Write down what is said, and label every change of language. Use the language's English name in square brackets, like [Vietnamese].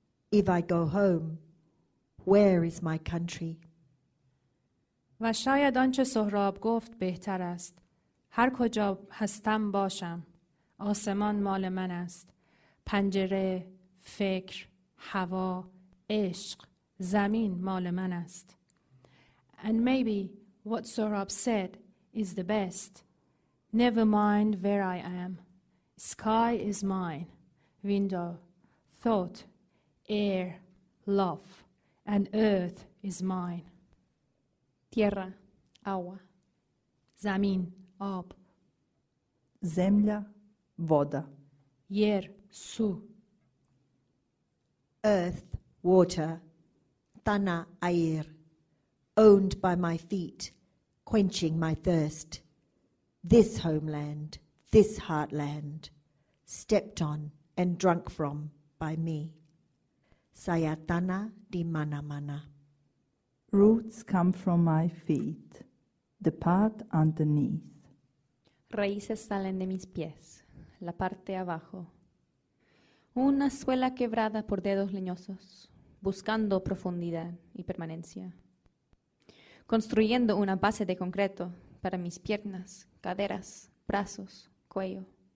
[English] If I go home, where is my country? [Persian] و شاید آنچه سهراب گفت بهتر است. هر کجا هستم باشم. آسمان مال من است. پنجره، فکر، هوا، عشق، زمین مال من است. [English] And maybe what Sohrab said is the best. Never mind where I am. Sky is mine. Window. Thought. Air. Love. And earth is mine. [Spanish] Tierra. Agua. [Tajik] Zamin. Ob. [Serbian] Zemlja. Voda. [Turkish] Yer. Su. [English] Earth, water, [Indonesian] tana air, [English] owned by my feet, quenching my thirst. This homeland, this heartland, stepped on and drunk from by me. [Indonesian] Saya tana di mana-mana. [English] Roots come from my feet, the part underneath. [Spanish] Raíces salen de mis pies, la parte abajo. Una suela quebrada por dedos leñosos, buscando profundidad y permanencia. Construyendo una base de concreto para mis piernas, caderas, brazos, cuello.